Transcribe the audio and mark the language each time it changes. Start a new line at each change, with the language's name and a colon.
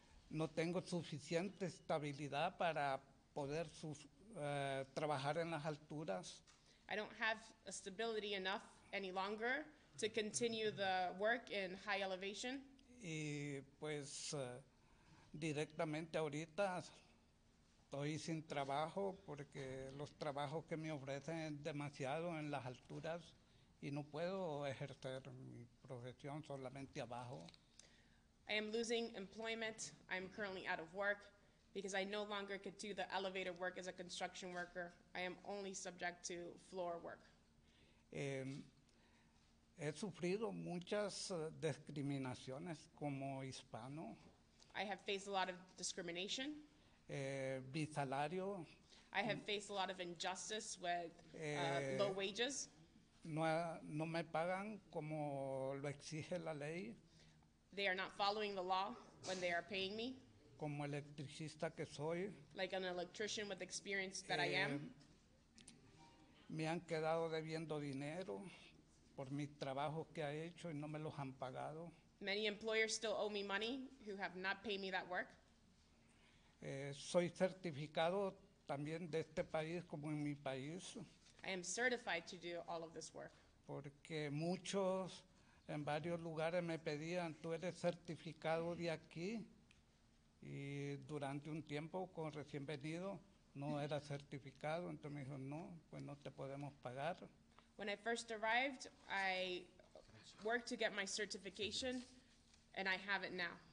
Spanish: No tengo suficiente estabilidad para poder trabajar en las alturas.
English: I don't have a stability enough any longer to continue the work in high elevation.
Spanish: Y pues directamente ahorita estoy sin trabajo porque los trabajos que me ofrecen es demasiado en las alturas y no puedo ejercer mi profesión solamente abajo.
English: I am losing employment. I'm currently out of work because I no longer could do the elevator work as a construction worker. I am only subject to floor work.
Spanish: He sufrido muchas discriminaciones como hispano.
English: I have faced a lot of discrimination.
Spanish: Mi salario.
English: I have faced a lot of injustice with low wages.
Spanish: No me pagan como lo exige la ley.
English: They are not following the law when they are paying me.
Spanish: Como electricista que soy.
English: Like an electrician with experience that I am.
Spanish: Me han quedado debiendo dinero por mi trabajo que ha hecho y no me los han pagado.
English: Many employers still owe me money who have not paid me that work.
Spanish: Soy certificado también de este país como en mi país.
English: I am certified to do all of this work.
Spanish: Porque muchos... En varios lugares me pedían, tú eres certificado de aquí, y durante un tiempo con recién venido no era certificado, entonces me dijo, no, pues no te podemos pagar.
English: When I first arrived, I worked to get my certification, and I have it now.